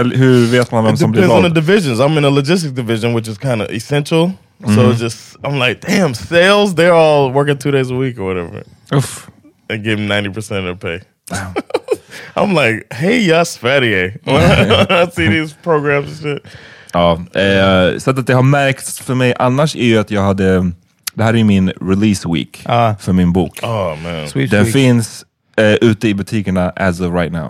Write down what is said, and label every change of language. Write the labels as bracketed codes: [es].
[en] valt? It depends on the divisions. I'm in a logistics division, which is kind of essential. So it's just, I'm like, damn, sales, they're all working 2 days a week or whatever. Oof. And give them 90% of their pay. I'm like, hey, yes, Fatty. I see these programs and shit. [sv] Ja, så att det har märkts för mig annars är ju att jag hade, det här är ju min release week för min bok. [en] Oh, man. Sweet den week. [sv] Finns ute i butikerna [en] as of right now.